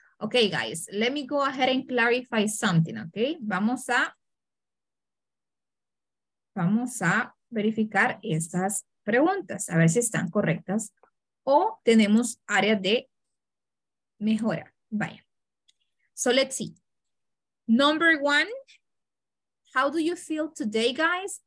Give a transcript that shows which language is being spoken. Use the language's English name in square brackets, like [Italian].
[English] Okay, guys, let me go ahead and clarify something, okay? [Spanish] Vamos a verificar estas preguntas, a ver si están correctas o tenemos área de mejora. [English] Vaya. So let's see. Number one, how do you feel today, guys?